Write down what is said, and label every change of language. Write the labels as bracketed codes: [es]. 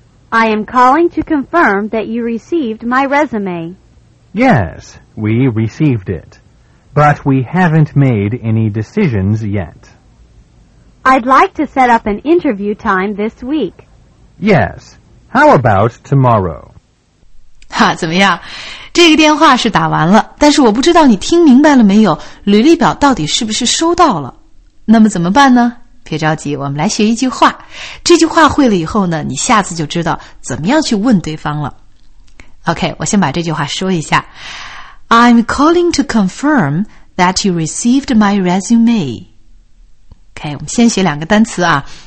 [en] I am calling to confirm that you received my resume. Yes, we received it. But we haven't made any decisions yet. I'd like to set up an interview time this week. Yes, how about tomorrow? [zh] 哈，怎么样？这个电话是打完了，但是我不知道你听明白了没有，履历表到底是不是收到了？那么怎么办呢？别着急，我们来学一句话。这句话会了以后呢，你下次就知道怎么样去问对方了。 OK, 我先把这句话说一下。 [en] I'm calling to confirm that you received my resume. [zh] OK, 我们先学两个单词啊。